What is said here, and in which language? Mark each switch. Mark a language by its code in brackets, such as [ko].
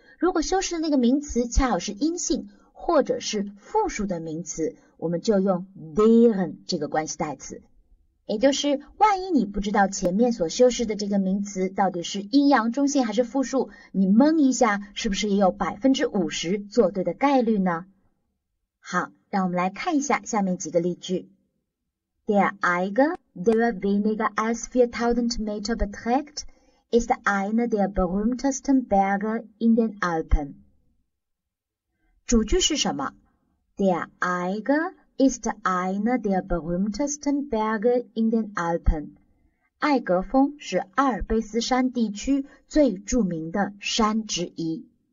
[zh] 如果修饰的那个名词恰好是阴性, 或者是复数的名词, 我们就用 deren 这个关系代词。也就是万一你不知道前面所修饰的这个名词到底是阴阳中性还是复数, 你蒙一下是不是也有50%做对的概率呢? 好,让我们来看一下下面几个例句。 [de] Der Eiger, der weniger als 4000 Meter beträgt, ist einer der berühmtesten Berge in den Alpen. [zh] 主句是什么? [de] Der Eiger ist einer der berühmtesten Berge in den Alpen. [zh] 艾格峰是阿尔卑斯山地区最著名的山之一。